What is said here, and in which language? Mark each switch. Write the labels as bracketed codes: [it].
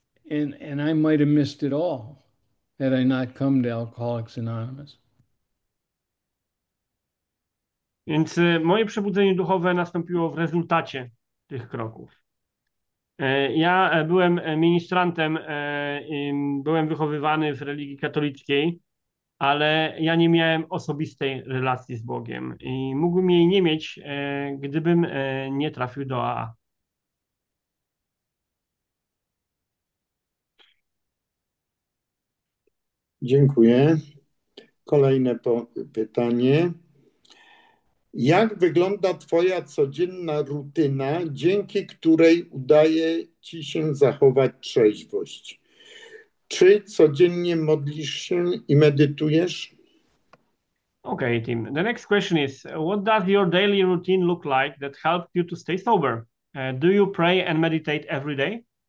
[en] And I might have missed it all had I not come to Alcoholics Anonymous. [pl] Więc moje przebudzenie duchowe nastąpiło w rezultacie tych kroków. Ja byłem ministrantem, byłem wychowywany w religii katolickiej, ale ja nie miałem osobistej relacji z Bogiem i mógłbym jej nie mieć, gdybym nie trafił do AA. Dziękuję. Kolejne pytanie. Jak wygląda twoja codzienna rutyna, dzięki której udaje ci się zachować trzeźwość? Czy codziennie modlisz się i medytujesz? [en] Okay, Tim. The next question is, what does your daily routine look like that helps you to stay sober? Do you pray and meditate every day?